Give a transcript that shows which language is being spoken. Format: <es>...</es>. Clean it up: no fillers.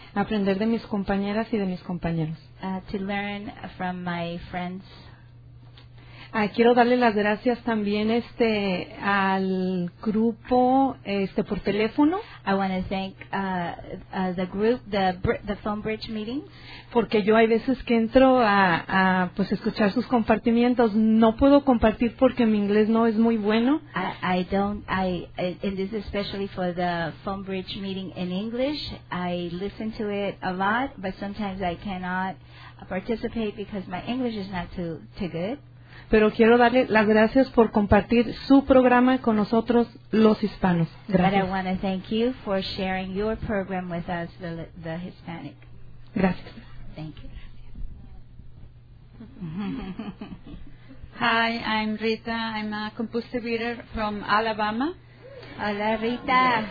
<es>Aprender de mis compañeras y de mis compañeros.</es> <en>To learn from my friends.</en> <es>Quiero darle las gracias también al grupo por teléfono.</es> <en>I want to thank the group, the phone bridge meetings.</en> <es>Porque yo hay veces que entro a escuchar sus compartimientos, no puedo compartir porque mi inglés no es muy bueno.</es> <en>And this is especially for the phone bridge meeting in English. I listen to it a lot, but sometimes I cannot participate because my English is not too good.</en> <es>Pero quiero darle las gracias por compartir su programa con nosotros, los hispanos. Gracias.</es> <en>But I want to thank you for sharing your program with us, the Hispanic.</en> <es>Gracias.</es> <en>Thank you. Hi, I'm Rita. I'm a compulsive eater from Alabama.</en> <es>Hola, Rita.</es>